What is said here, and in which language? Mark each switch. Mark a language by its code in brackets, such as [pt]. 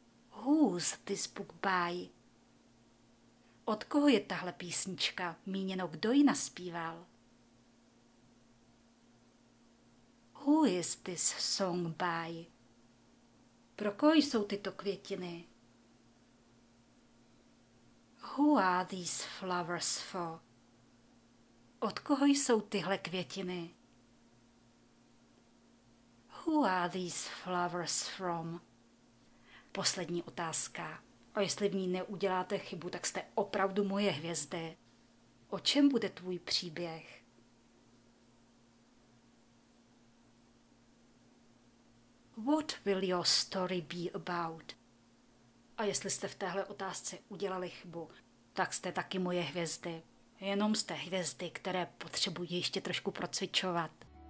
[en] Who's this book by? [cs] Od koho je tahle písnička? Míněno, kdo ji naspíval? [en] Who is this song by? [cs] Pro koho jsou tyto květiny? [en] Who are these flowers for? [cs] Od koho jsou tyhle květiny? [en] Who are these flowers from? [cs] Poslední otázka. A jestli v ní neuděláte chybu, tak jste opravdu moje hvězdy. O čem bude tvůj příběh? [en] What will your story be about? [cs] A jestli jste v téhle otázce udělali chybu, tak jste taky moje hvězdy. Jenom jste hvězdy, které potřebují ještě trošku procvičovat.